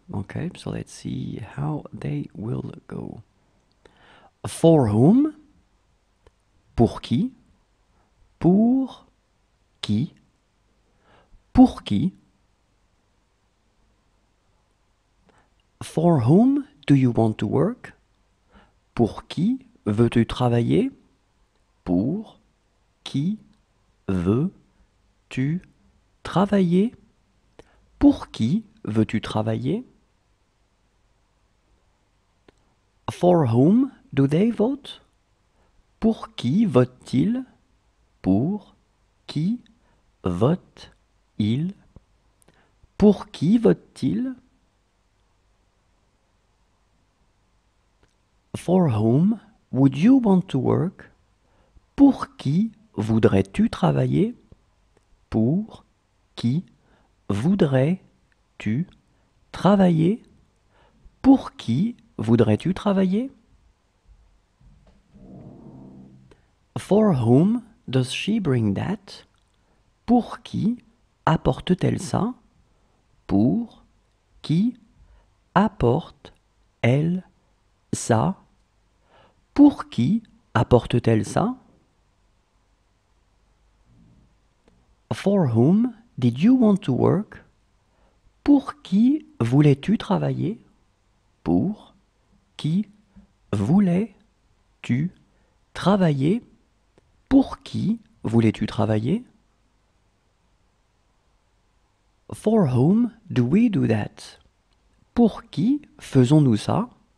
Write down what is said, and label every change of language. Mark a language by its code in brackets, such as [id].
[en] Okay, so let's see how they will go. For whom? [fr] Pour qui? Pour qui? Pour qui? [en] For whom do you want to work? [fr] Pour qui veux-tu travailler? Pour qui veux-tu travailler? Pour qui veux-tu travailler? [en] For whom do they vote? [fr] Pour qui vote-t-il? Pour qui vote-t-il? Pour qui vote-t-il? [en] For whom would you want to work? [fr] Pour qui voudrais-tu travailler? Pour qui voudrais-tu travailler? Pour qui voudrais-tu travailler? [en] For whom does she bring that? [fr] Pour qui apporte-t-elle ça? Pour qui apporte-elle ça? Pour qui apporte-t-elle ça? [en] For whom did you want to work? [fr] Pour qui voulais-tu travailler? Pour qui voulais-tu travailler? Pour qui Voulais-tu travailler? [en] For whom do we do that? [fr] Pour qui faisons-nous ça?